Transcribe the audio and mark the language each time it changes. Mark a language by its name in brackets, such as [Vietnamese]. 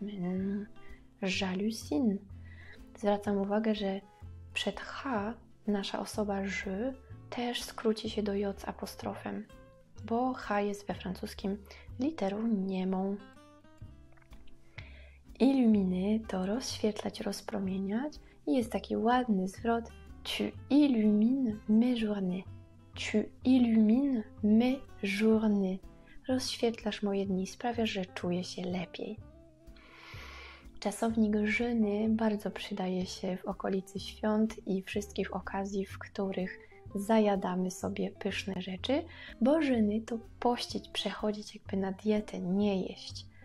[French] Mais non, j'hallucine. [Polish] Zwracam uwagę, że przed H nasza osoba je też skróci się do J z apostrofem, bo H jest we francuskim literą niemą. Illuminer to rozświetlać, rozpromieniać i jest taki ładny zwrot [French] tu illumines mes journées. Tu illumines mes journées. [Polish] Rozświetlasz moje dni, sprawiasz, że czuję się lepiej. Czasownik jeûner bardzo przydaje się w okolicy świąt i wszystkich okazji, w których zajadamy sobie pyszne rzeczy, bo jeûner to pościć, przechodzić jakby na dietę, nie jeść.